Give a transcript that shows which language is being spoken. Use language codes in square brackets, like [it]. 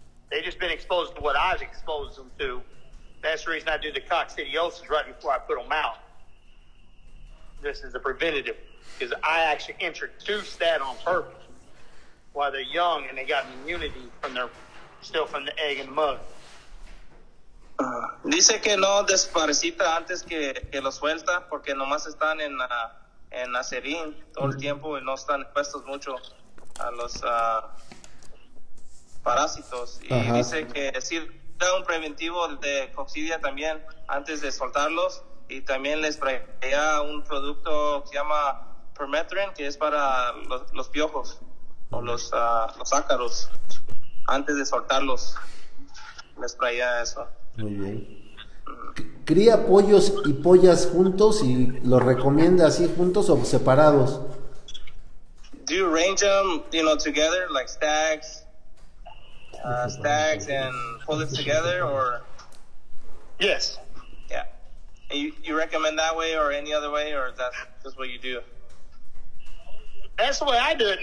[en] They've just been exposed to what I've exposed them to. That's the reason I do the coccidiosis right before I put them out. This is a preventative, because I actually introduced that on purpose while they're young and they got an immunity from their, still from the egg and the mug. [es] Dice que no desparasita antes que lo suelta, porque nomás están en en acerín todo el tiempo y no están expuestos mucho a los parásitos. Y dice que sí da un preventivo de coccidia también antes de soltarlos, y también les traía un producto que se llama permethrin, que es para los piojos o los ácaros. Antes de soltarlos les traía eso. Muy bien. ¿Cría pollos y pollas juntos y los recomienda así juntos o separados? [en] Do you range them, you know, together, like stags, stags and pull it together, or? Yes. Yeah. And you recommend that way or any other way, or that's just what you do? That's the way I do it.